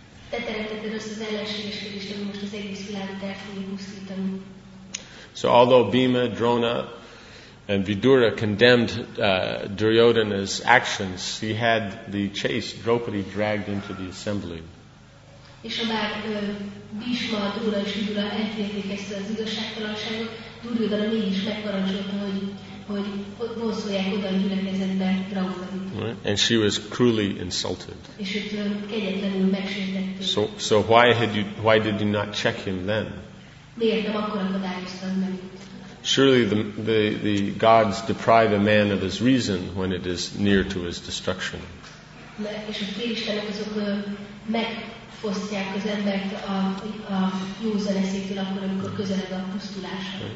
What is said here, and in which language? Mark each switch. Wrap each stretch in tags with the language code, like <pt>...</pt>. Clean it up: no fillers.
<en>So although Bhima, Drona, and Vidura condemned Duryodhana's actions, he had the chase, Draupadi, dragged into the assembly.</en> <hu>És ha már Bhishma, Dura és Vidura elfélkezte az igazságtalanságot, Duryodhana mégis megparancsolta, hogy vonszolják oda a gyülekezetbe Draupadit.</hu> <en>And she was cruelly insulted.</en> <hu>És őt kegyetlenül megsértették.</hu> <en>So why did you not check him then?</en> <hu>Miért nem akkor akadályoztad meg őt?</hu> <en>Surely the gods deprive a man of his reason when it is near to his destruction.</en> <hu>És a félistenek azok megfosztják az embert a józan eszétől akkor, amikor közeled a pusztulásra.</hu>